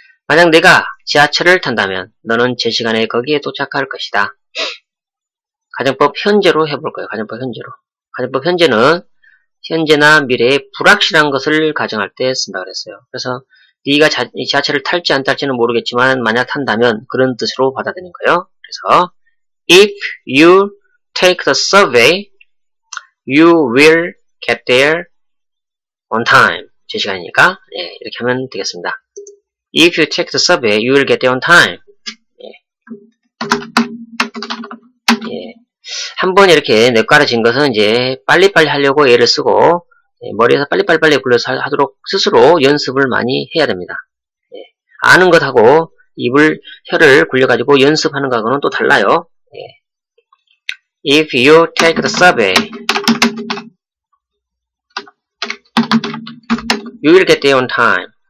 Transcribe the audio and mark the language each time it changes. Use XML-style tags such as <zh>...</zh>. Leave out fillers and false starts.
<ko>만약 내가 지하철을 탄다면 너는 제 시간에 거기에 도착할 것이다. 가정법 현재로 해볼 거예요. 가정법 현재로. 가정법 현재는 현재나 미래의 불확실한 것을 가정할 때 쓴다고 그랬어요. 그래서 네가 지하철을 탈지 안 탈지는 모르겠지만 만약 탄다면 그런 뜻으로 받아들이는 거예요.</ko> <en>그래서 If you take the subway, you will get there on time.</en> <ko>제 시간이니까 예, 이렇게 하면 되겠습니다.</ko> <en>If you take the subway, you will get there on time.</en> <ko>예. 예. 한번 이렇게 뇌깔아진 것은 이제 빨리빨리 하려고 애를 쓰고 예, 머리에서 빨리빨리 굴려서 하도록 스스로 연습을 많이 해야 됩니다. 예. 아는 것하고 입을 혀를 굴려가지고 연습하는 것하고는 또 달라요. 예.</ko> <en>If you take the subway, you will get there on time.</en>